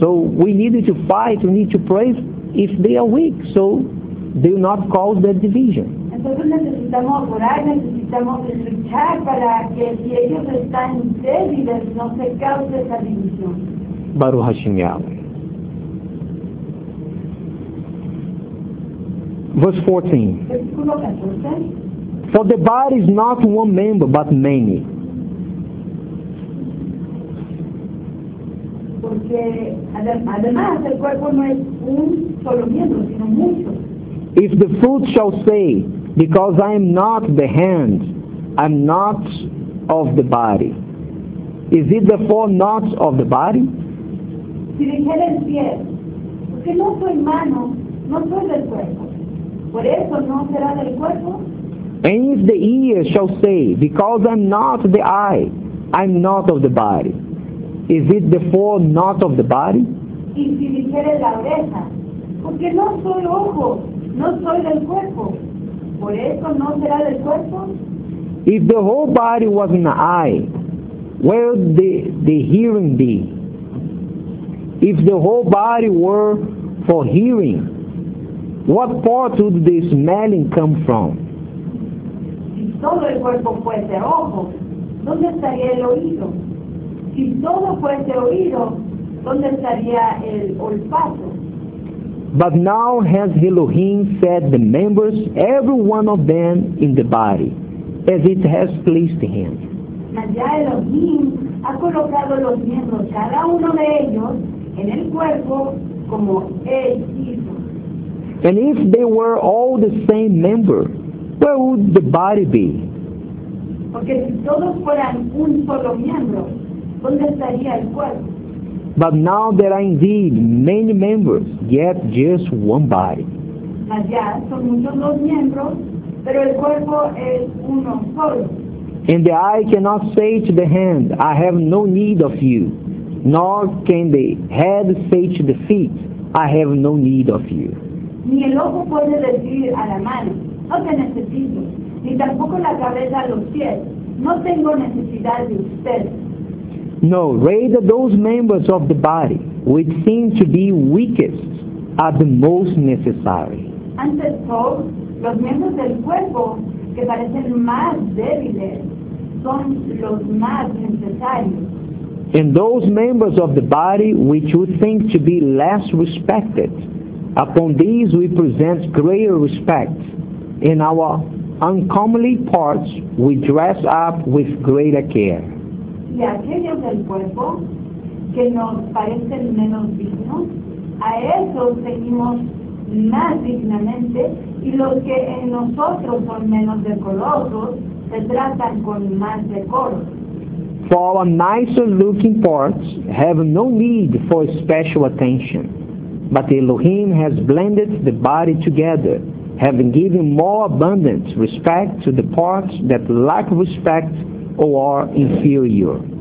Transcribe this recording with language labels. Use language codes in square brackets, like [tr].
[en] So we need to fight, we need to pray if they are weak, so they will not cause that division. [es] Entonces necesitamos orar, necesitamos luchar para que si ellos están débiles, no se cause esa división. [he] Baruch Hashem Yahweh. [en] Verse 14. For the body is not one member, but many. [es] Porque además el cuerpo no es un solo miembro, sino muchos. [en] If the foot shall say, because I am not the hand, I am not of the body, is it therefore not of the body? [es] Si dijera el pie, porque no soy mano, no soy del cuerpo. Por eso no será del cuerpo. [en] And if the ear shall say, because I'm not the eye, I'm not of the body, is it therefore not of the body? [es] Y si dijere la oreja, porque no soy ojo, no soy del cuerpo, por eso no será del cuerpo. [en] If the whole body was an eye, where would the hearing be? If the whole body were for hearing, what part would the smelling come from? [es] Si todo el cuerpo fuese ojo, ¿dónde estaría el oído? Si todo fuese oído, ¿dónde estaría el olfato? [en] But now has Elohim set the members, every one of them, in the body, as it has pleased him. [es] Mas ya Elohim ha colocado los miembros, cada uno de ellos, en el cuerpo, como él hizo. [en] And if they were all the same member, where would the body be? [es] Porque si todos fueran un solo miembro, ¿dónde estaría el cuerpo? [en] But now there are indeed many members, yet just one body. [es] Allá son muchos los miembros, pero el cuerpo es uno solo. [en] And the eye cannot say to the hand, I have no need of you. Nor can the head say to the feet, I have no need of you. [es] Ni el ojo puede decir a la mano, no te necesito. Ni tampoco la cabeza a los pies, no tengo necesidad de usted. [en] No, rather those members of the body, which seem to be weakest, are the most necessary. [es] Antes todo, los miembros del cuerpo, que parecen más débiles, son los más necesarios. [en] And those members of the body, which we think to be less respected, upon these we present greater respect. In our uncomely parts, we dress up with greater care. [es] Y aquellos del cuerpo que nos parecen menos dignos, a esos seguimos más dignamente, y los que en nosotros son menos decorosos se tratan con más decoro. [en] For our nicer looking parts have no need for special attention, but Elohim has blended the body together, having given more abundant respect to the parts that lack respect or are inferior.